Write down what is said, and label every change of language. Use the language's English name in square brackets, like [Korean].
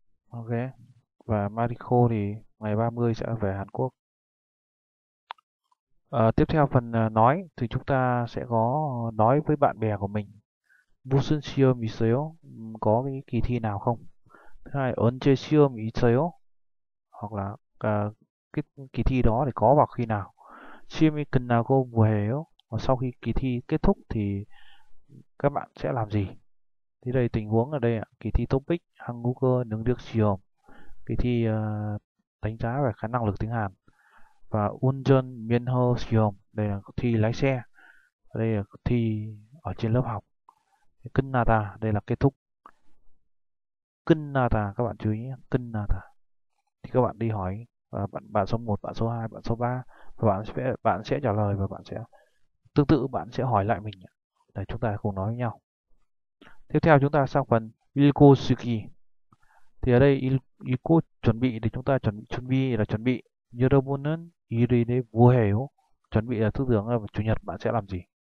[Vietnamese] 오케이. Và Mariko thì ngày 30 sẽ về Hàn Quốc. Tiếp theo phần nói thì chúng ta sẽ có nói với bạn bè của mình. [Korean] 무슨 시험 있어요? [Vietnamese] Có cái kỳ thi nào không? Thứ hai, [Korean] 언제 시험 있어요? [Vietnamese] Hoặc là cái kỳ thi đó thì có vào khi nào? [Korean] 시험이 끝나고 뭐해요? [Vietnamese] Sau khi kỳ thi kết thúc thì các bạn sẽ làm gì? Thì đây tình huống ở đây ạ, kỳ thi topic 한국어 능력 시험. Kỳ thi đánh giá về khả năng lực tiếng Hàn. Và [Korean] 운전 면허 시험, [Vietnamese] đây là thi lái xe. Đây là thi ở trên lớp học. 끝나다, đây là kết thúc. 끝나다, các bạn chú ý nhé. [Korean] 끝나다. [Vietnamese] Thì các bạn đi hỏi bạn số 1, bạn số 2, bạn số 3. Và bạn sẽ trả lời và bạn sẽ tương tự bạn sẽ hỏi lại mình. Để chúng ta cùng nói với nhau. Tiếp theo chúng ta sang phần 읽어주기. Thì ở đây 읽고 chuẩn bị thì chúng ta chuẩn bị là chuẩn bị. [Korean] 여러분은 일요일에 뭐 해요? [Vietnamese] Chuẩn bị là tư tưởng là chủ nhật bạn sẽ làm gì?